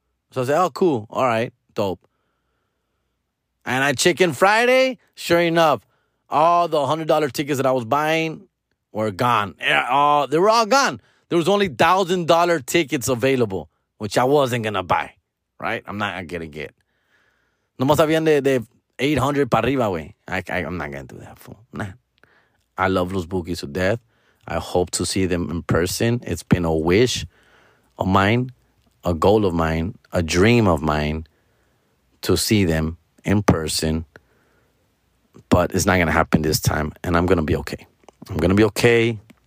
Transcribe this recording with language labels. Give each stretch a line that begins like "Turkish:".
English: So I said, oh, cool. All right. Dope. And I check in Friday. Sure enough, all the $100 tickets that I was buying were gone. They were all gone. There was only $1,000 tickets available, which I wasn't going to buy. Right? I'm not going to get.
Spanish: No más habían de 800 para arriba, güey.
English: I'm not going to do that, fool. Nah. I love Los Bukis to death. I hope to see them in person. It's been a wish of mine. A goal of mine, a dream of mine to see them in person. But it's not going to happen this time. And I'm going to be okay. I'm going to be okay.